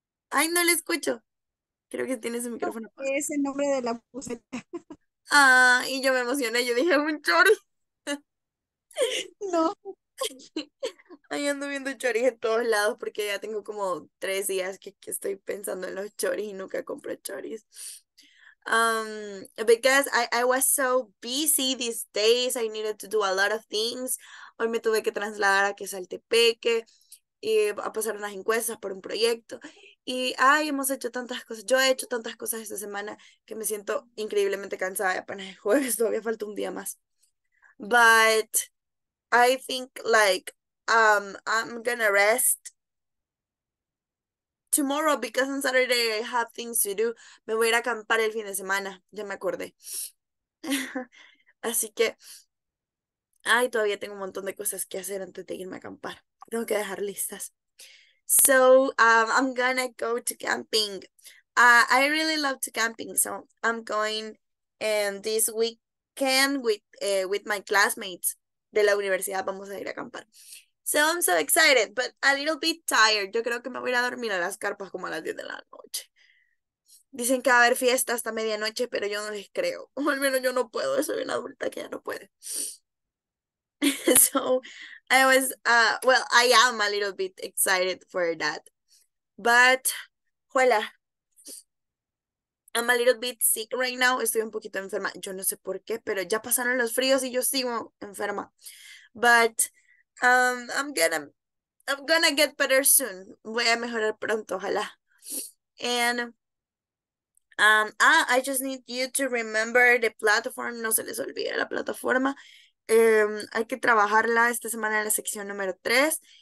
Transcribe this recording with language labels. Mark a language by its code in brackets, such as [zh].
[es] Ay, no le escucho. Creo que tiene su micrófono apagado. Es el nombre de la puse. Ah, y yo me emocioné, yo dije, un chori. No. Ahí ando viendo choris en todos lados porque ya tengo como 3 días que estoy pensando en los choris y nunca compro choris. [en] Because I was so busy these days, I needed to do a lot of things. [es] Hoy me tuve que trasladar a Quetzaltepeque y a pasar unas encuestas por un proyecto. Y ay, hemos hecho tantas cosas. Yo he hecho tantas cosas esta semana que me siento increíblemente cansada. Y apenas es jueves, todavía falta un día más. [en] But I think like I'm gonna rest tomorrow because on Saturday I have things to do. [es] Me voy a ir a acampar el fin de semana, ya me acordé. Así que Ay, todavía tengo un montón de cosas que hacer antes de irme a acampar. Tengo que dejar listas. [en] So, I'm gonna go to camping. I really love to camping, so I'm going this weekend with my classmates [es] de la universidad. Vamos a ir a acampar. [en] So I'm so excited, but a little bit tired. [es] Yo creo que me voy a dormir a las carpas como a las 10 de la noche. Dicen que va a haber fiesta hasta medianoche, pero yo no les creo. O al menos yo no puedo. Soy una adulta que ya no puede. [en] So I am a little bit excited for that. But, hola. I'm a little bit sick right now. [es] Estoy un poquito enferma. Yo no sé por qué, pero ya pasaron los fríos y yo sigo enferma. [en] But I'm gonna get better soon. [es] Voy a mejorar pronto, ojalá. [en] I just need you to remember the platform. [es] No se les olvide la plataforma. Hay que trabajarla esta semana en la sección número 3.